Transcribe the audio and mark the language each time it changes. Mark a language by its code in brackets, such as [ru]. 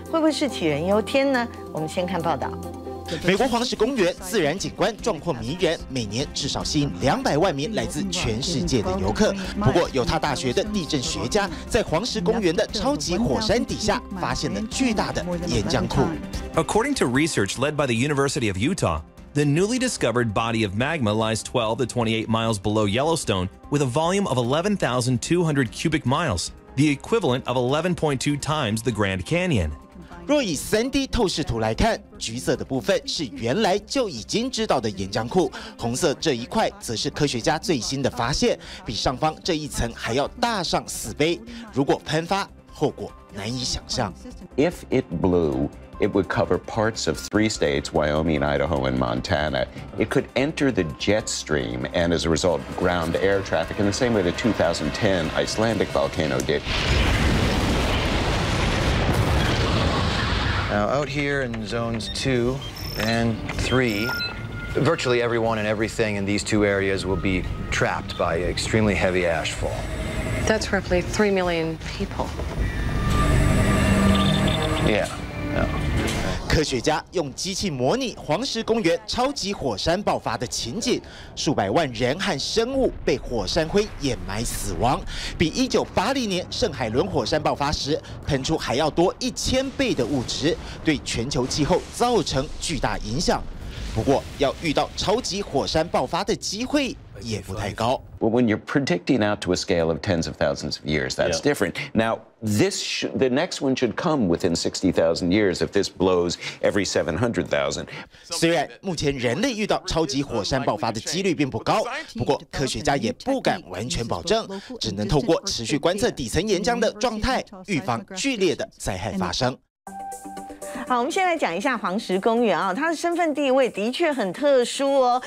[zh] 会不会是杞人忧天呢？我们先看报道。美国黄石公园自然景观壮阔迷人，每年至少吸引200万名来自全世界的游客。不过，犹他大学的地震学家在黄石公园的超级火山底下发现了巨大的岩浆库。 [en] According to research led by the University of Utah, the newly discovered body of magma lies 12 to 28 miles below Yellowstone with a volume of 11,200 cubic miles, the equivalent of 11.2 times the Grand Canyon. [zh] 若以 3D 透视图来看，橘色的部分是原来就已经知道的岩浆库，红色这一块则是科学家最新的发现，比上方这一层还要大上四倍。如果喷发，后果难以想象。 [en] If it blew, it would cover parts of three states, Wyoming, Idaho, and Montana. It could enter the jet stream and as a result, ground air traffic in the same way the 2010 Icelandic volcano did. Now out here in zones 2 and 3, virtually everyone and everything in these two areas will be trapped by extremely heavy ash fall. That's roughly 3 million people. Yeah. [zh] 科学家用机器模拟黄石公园超级火山爆发的情景，数百万人和生物被火山灰掩埋死亡，比1980年圣海伦火山爆发时喷出还要多1000倍的物质，对全球气候造成巨大影响。不过，要遇到超级火山爆发的机会也不太高。 [en] When you're predicting out to a scale of tens of thousands of years, that's different. Now, the next one should come within 60,000 years if this blows every 700,000. [zh] 虽然目前人类遇到超级火山爆发的几率并不高，不过科学家也不敢完全保证，只能透过持续观测底层岩浆的状态，预防剧烈的灾害发生。好，我们先来讲一下黄石公园啊，它的身份地位的确很特殊哦。